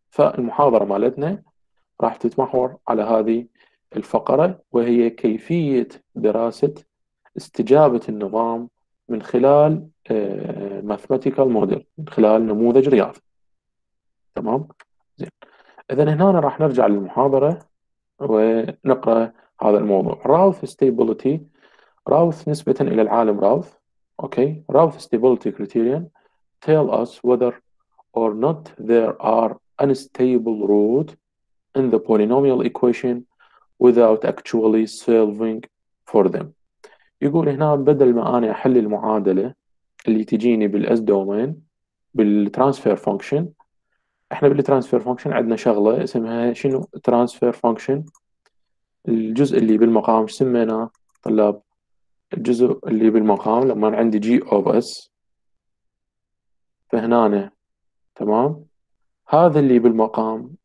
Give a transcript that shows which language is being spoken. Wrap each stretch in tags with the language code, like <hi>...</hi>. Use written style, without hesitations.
<ar>فالمحاضرة مالتنا راح تتمحور على هذه الفقرة، وهي كيفية دراسة استجابة النظام من خلال ماثماتيكال موديل، من خلال نموذج رياضي. تمام، زين. اذا هنا راح نرجع للمحاضرة ونقرأ هذا الموضوع. راوث ستيبلتي، راوث نسبة الى العالم راوث، okay.</ar> <en>Routh stability criterion tell us whether or not there are unstable root in the polynomial equation without actually solving for them.</en> <ar>يقول هنا بدل ما أنا أحل المعادلة اللي تجيني بالS domain بالtransfer function، إحنا بالtransfer function عندنا شغلة اسمها شنو؟ transfer function. الجزء اللي بالمقام سميناه طلاب، الجزء اللي بالمقام لما عندي جي اوف اس فهنانه، تمام، هذا اللي بالمقام</ar>